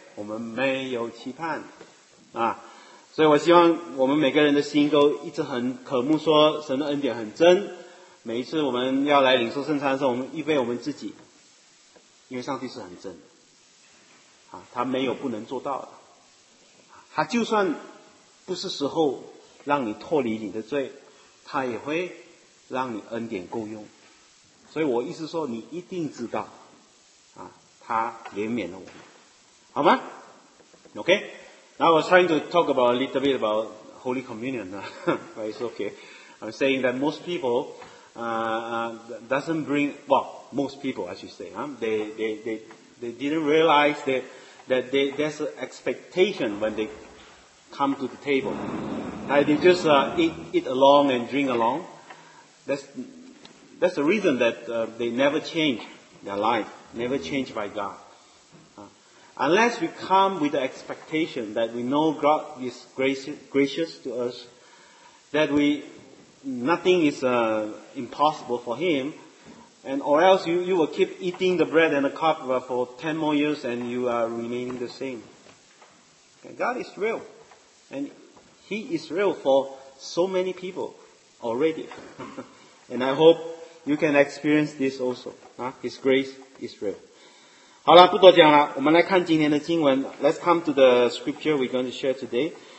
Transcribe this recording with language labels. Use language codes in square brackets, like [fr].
[zh] 我们没有期盼啊。所以我希望我们每个人的心都一直很渴慕说神的恩典很真，每一次我们要来领受圣餐的时候，我们预备我们自己，因为上帝是很真的啊，他没有不能做到的。他就算不是时候让你脱离你的罪，他也会让你恩典够用。所以我意思说，你一定知道啊，他怜悯了我们，好吗？ [en] OK， Now I'm trying to talk about a little bit about Holy Communion but it's okay. I'm saying that most people doesn't bring, well, most people, I should say, they didn't realize that there's an expectation when they come to the table. That they just eat along and drink along. That's the reason that they never change their life, never change by God. Unless we come with the expectation that we know God is gracious to us, that nothing is impossible for him, and or else you will keep eating the bread and the cup for 10 more years and you are remaining the same. Okay, God is real, and he is real for so many people already. And I hope you can experience this also. His grace is real. [zh] 好了，不多讲了，我们来看今天的经文。 [en] Let's come to the scripture we're going to share today.